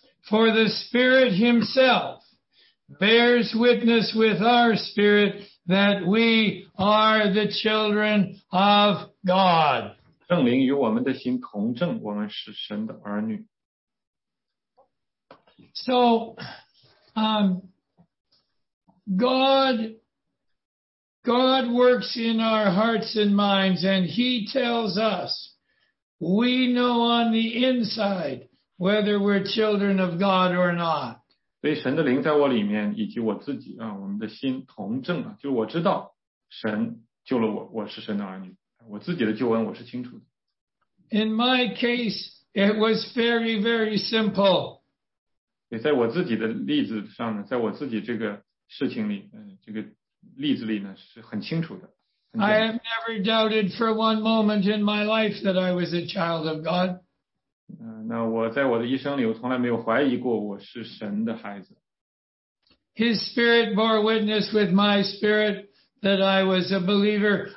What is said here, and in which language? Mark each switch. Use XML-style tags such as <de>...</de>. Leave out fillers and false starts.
<en>For the Spirit Himself bears witness with our spirit. That we are the children of God.</en> <zh>圣灵与我们的心同证，我们是神的儿女。</zh> <en>So, God works in our hearts and minds, and He tells us, we know on the inside whether we're children of God or not.</en> <zh>所以神的灵在我里面以及我自己啊，我们的心同证啊，就是我知道神救了我，我是神的儿女，我自己的救恩我是清楚的。</zh> <en>In my case, it was very, very simple.</en> <zh>也在我自己的例子上呢，在我自己这个事情里，这个例子里呢是很清楚的。</zh> <en>I have never doubted for one moment in my life that I was a child of God.</en> <zh>那我在我的一生里我从来没有怀疑过我是神的孩子。</zh> <en>His spirit bore witness with my spirit that I was a believer.</en>